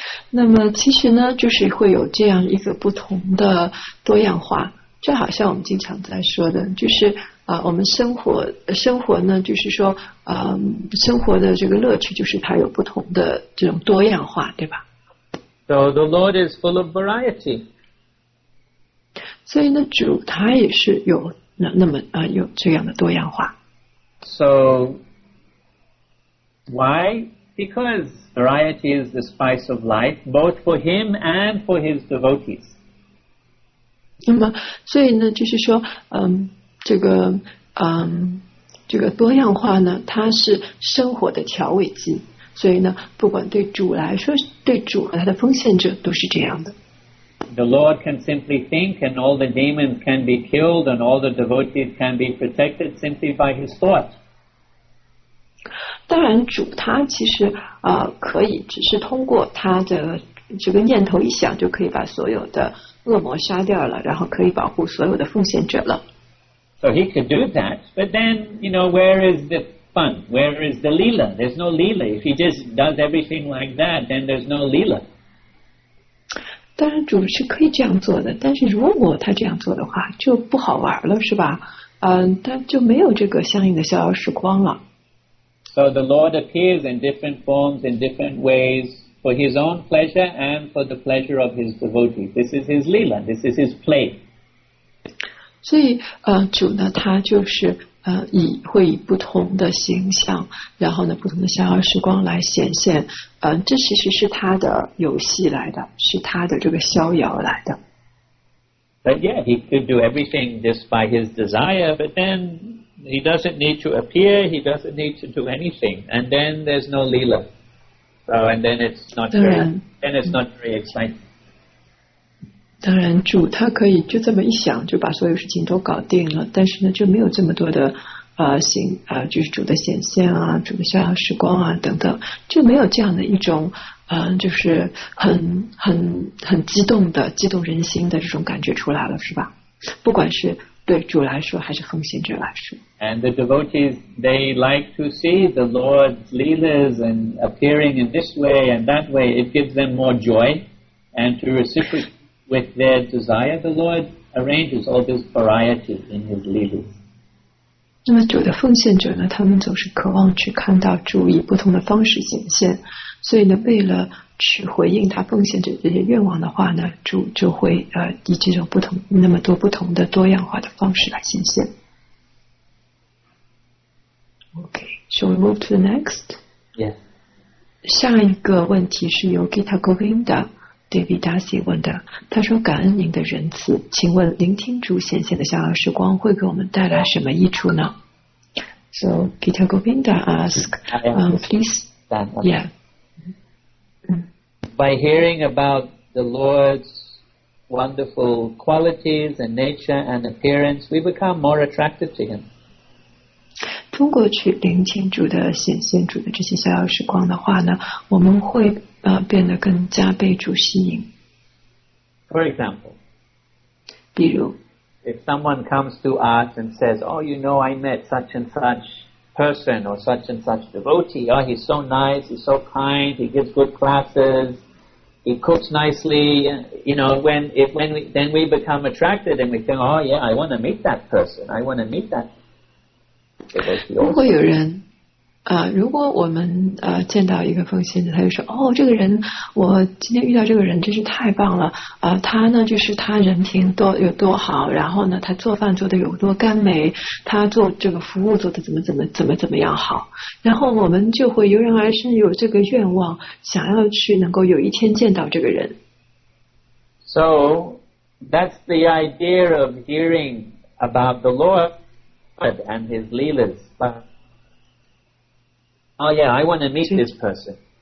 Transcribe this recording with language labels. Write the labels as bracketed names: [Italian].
[Chinese] 那么其实呢，就是会有这样一个不同的多样化，就好像我们经常在说的，就是我们生活呢，就是说生活的这个乐趣，就是它有不同的这种多样化，对吧？ [English] So the Lord is full of variety. [Chinese] 所以呢，主他也是有那么有这样的多样化。 [English] So why? Because variety is the spice of life, both for him and for his devotees. [Chinese] 那么，所以呢，就是说，这个多样化呢，它是生活的调味剂。所以呢，不管对主来说，对主和他的奉献者都是这样的。 [English] The Lord can simply think, and all the demons can be killed, and all the devotees can be protected simply by his thought. [Chinese] 当然主他其实可以只是通过他的这个念头一想，就可以把所有的恶魔杀掉了，然后可以保护所有的奉献者了。 [English] So he could do that, but then, you know, where is the fun? Where is the leela? There's no leela. If he just does everything like that, then there's no leela. [Chinese] 当然主是可以这样做的，但是如果他这样做的话就不好玩了，是吧？他就没有这个相应的逍遥时光了。 [English] So the Lord appears in different forms, in different ways, for his own pleasure and for the pleasure of his devotees. This is his leela, this is his play. [Chinese] 所以主呢，他就是会以不同的形象，然后呢不同的逍遥时光来显现，这其实是他的游戏来的，是他的这个逍遥来的。 [English] But yeah, he could do everything just by his desire, but then... He doesn't need to appear, he doesn't need to do anything, and then there's no leela. So, and then it's not very, exciting. [Chinese] 当然主他可以就这么一想就把所有事情都搞定了，但是呢就没有这么多的就是主的显现啊，主的逍遥时光啊等等，就没有这样的一种就是很激动的激动人心的这种感觉出来了，是吧？不管是对主来说还是奉献者来说。 [English] And the devotees, they like to see the Lord's leelas and appearing in this way and that way. It gives them more joy. And to reciprocate with their desire, the Lord arranges all this variety in his leelas. [Chinese] 那么主的奉献者呢，他们总是渴望去看到主以不同的方式显现，所以呢，为了去回应他奉献者这些愿望的话呢，主就会以这种不同那么多不同的多样化的方式来显现。 [English] OK, shall we move to the next? Yes. [Chinese] 下一个问题是由 Gita Govinda David Darcy 问的，他说感恩您的仁慈，请问聆听主显现的逍遥时光会给我们带来什么益处呢？ [English] So Gita Govinda asked, please, yeah. By hearing about the Lord's wonderful qualities and nature and appearance, we become more attracted to him. [Chinese] 通过去聆听主的显现主的这些逍遥时光的话呢，我们会变得更加被主吸引。 [English] For example, [Chinese] 比如 [English] if someone comes to us and says, oh, you know, I met such and such person or such and such devotee. Oh, he's so nice, he's so kind, he gives good classes, he cooks nicely. You know, then we become attracted and we think, oh, yeah, I want to meet that person. I want to meet that person. [Chinese] 如果有人如果我们见到一个奉献者，他就说，哦，这个人，我今天遇到这个人真是太棒了，他呢就是他人品多有多好，然后呢他做饭做得有多甘美，他做这个服务做得怎么样好，然后我们就会油然而生有这个愿望，想要去能够有一天见到这个人。 [English] So that's the idea of hearing about the LordAnd his leelas. Oh yeah, I want to meet this person.